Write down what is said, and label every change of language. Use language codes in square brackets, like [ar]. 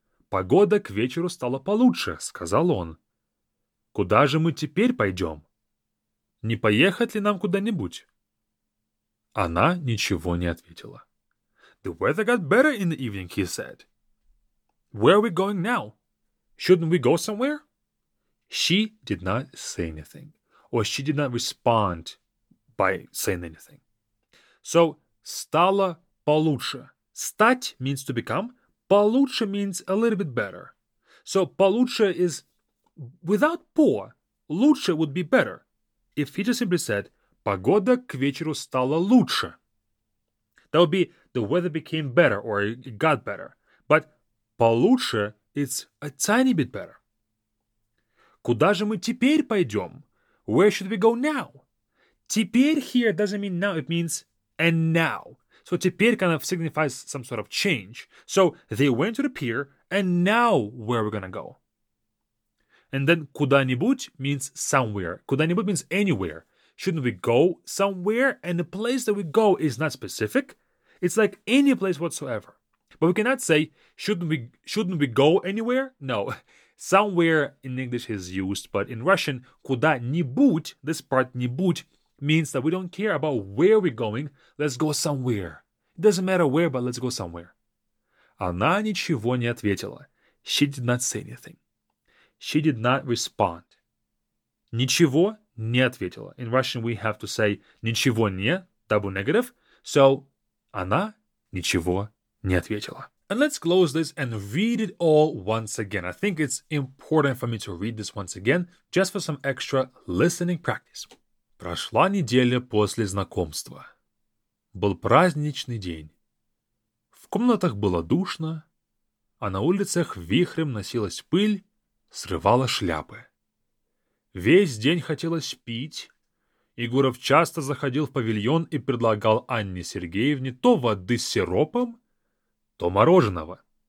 [ru] Погода к вечеру стала получше, сказал он. Куда же мы теперь пойдем? Не поехать ли нам куда-нибудь? Она ничего не ответила. [en] The weather got better in the evening, he said. Where are we going now? Shouldn't we go somewhere? She did not say anything. Or she did not respond by saying anything. So, [ru] стало получше. [en] Стать means to become. Получше means a little bit better. So, получше is without по. Лучше would be better. If he just simply said, [ru] погода к вечеру стала лучше. [en] That would be the weather became better or it got better. But получше, it's a tiny bit better. [ru] Куда же мы теперь пойдем? [en] Where should we go now? Теперь here doesn't mean now, it means and now. So теперь kind of signifies some sort of change. So they went to the pier, and now where are we gonna go? And then куда-нибудь means somewhere. Куда-нибудь means anywhere. Shouldn't we go somewhere? And the place that we go is not specific. It's like any place whatsoever. But we cannot say, shouldn't we go anywhere? No. Somewhere in English is used, but in Russian, куда-нибудь, this part, нибудь, means that we don't care about where we're going. Let's go somewhere. It doesn't matter where, but let's go somewhere. [ru] Она ничего не ответила. [en] She did not say anything. She did not respond. [ru] Ничего не ответила. [en] In Russian, we have to say ничего не, double negative. [ru] So, она ничего не ответила. [en] And let's close this and read it all once again. I think it's important for me to read this once again, just for some extra listening practice. [ru] Прошла неделя после знакомства. Был праздничный день. В комнатах было душно, а на улицах вихрем носилась пыль, срывала шляпы. Весь день хотелось пить. Игуров часто заходил в павильон и предлагал Анне Сергеевне то воды с сиропом, то мороженого.